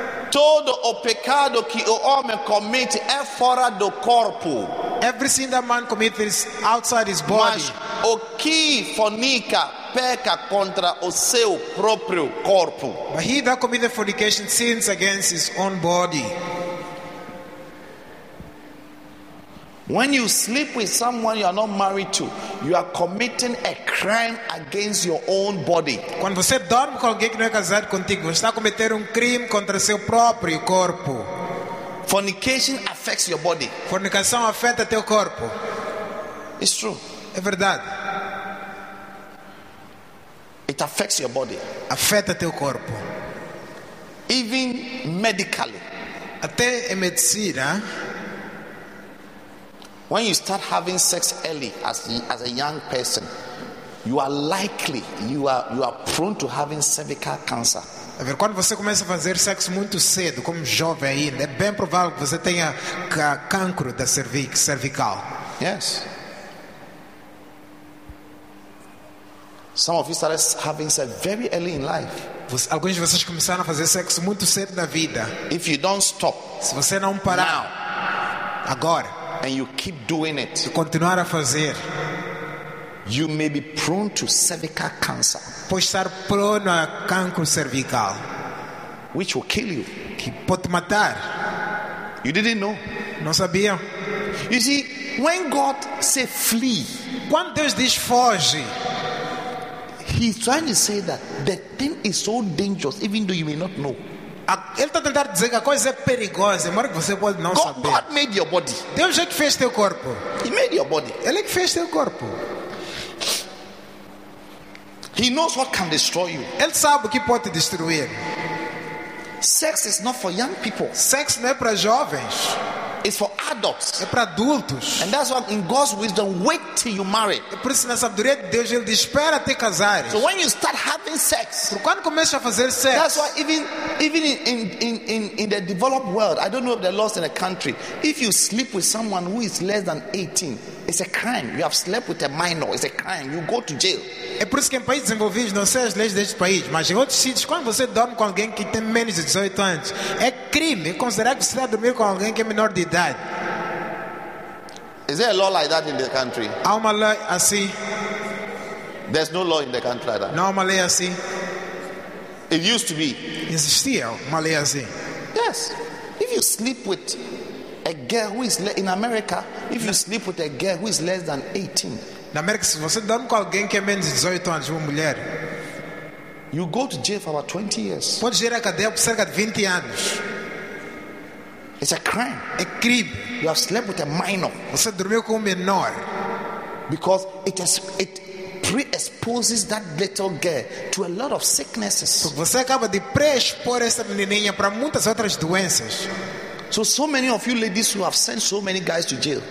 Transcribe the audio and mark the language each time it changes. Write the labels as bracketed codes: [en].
[pt] Todo o pecado que o homem comete é fora do corpo. [en] Every sin that man commits is outside his body. [pt] Mas o que fornica peca contra o seu próprio corpo. [en] But he that commits fornication sins against his own body. When you sleep with someone you are not married to, you are committing a crime against your own body. [pt] Quando você dorme com alguém que não é casado contigo, você está cometendo crime contra seu próprio corpo. [en] Fornication affects your body. [pt] Fornicação afeta teu corpo. [en] It's true. [pt] É verdade. [en] It affects your body. [pt] Afeta teu corpo. [en] Even medically. [pt] Até em medicina. [en] When you start having sex early as a young person, you are prone to having cervical cancer. [pt] Quando você começa a fazer sexo muito cedo, como jovem ainda, é bem provável que você tenha cancro da cervical. [en] Yes. Some of you started having sex very early in life. [pt] Alguns de vocês começaram a fazer sexo muito cedo na vida. [en] If you don't stop, [pt] se você não parar, [en] now, [pt] agora. [en] And you keep doing it. [pt] E continuar a fazer. [en] You may be prone to cervical cancer. [pt] Pode estar prone a câncer cervical. [en] Which will kill you. [pt] Que pode matar. [en] You didn't know. [pt] Não sabia. [en] You see, when God says flee, [pt] quando Deus diz foge, [en] He's trying to say that the thing is so dangerous, even though you may not know. [pt] Ele está tentando dizer que a coisa é perigosa, mas você pode não saber. [en] God made your body. [pt] Deus é que fez teu corpo. [en] He made your body. [pt] Ele é que fez teu corpo. [en] He knows what can destroy you. [pt] Ele sabe o que pode te destruir. [en] Sex is not for young people. [pt] Sex não é para jovens. [en] It's for adults. [pt] É para adultos. [en] And that's why in God's wisdom, wait till you marry. [pt] É por isso na sabedoria de Deus, ele diz, espera até casares. [en] So when you start having sex, [pt] por quando começa a fazer sexo, [en] that's why even in the developed world, I don't know if the laws in a country, if you sleep with someone who is less than 18, It's a crime. You have slept with a minor. It's a crime. You go to jail. [pt] É por isso que em países desenvolvidos não sei as leis deste país, mas em outros sítios, quando você dorme com alguém que tem menos de 18 anos, é crime. É considerado que você está a dormir com alguém que é menor de idade. [en] Is there a law like that in the country? [pt] Há uma lei assim? [en] There's no law in the country like that. [pt] Não há uma lei assim. [en] It used to be. [pt] Existia uma lei assim. [en] Yes. If you sleep with a girl who is in America, if you sleep with a girl who is less than 18, [pt] na América, se você dorme com alguém que é menos de 18 anos, uma mulher, [en] you go to jail for about 20 years. [pt] Pode ir à cadeia por cerca de 20 anos. [en] It's a crime. [pt] É crime. [en] You have slept with a minor. [pt] Você dormiu com um menor. [en] Because it pre-exposes that little girl to a lot of sicknesses. [pt] Porque você acaba de pré-expor essa menininha para muitas outras doenças. [en] So many of you ladies who have sent so many guys to jail.